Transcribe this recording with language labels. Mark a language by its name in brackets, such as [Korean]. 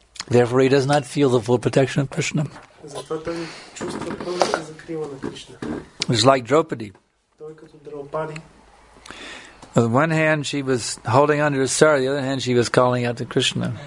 [English] Therefore he does not feel the full protection of Krishna. [Bulgarian] Затова той чувства пълната закрила на Кришна. [English] It's like Draupadi. [Bulgarian] Той като Драупади. [English] On the one hand she was holding on to her sari, the other hand she was calling out to Krishna.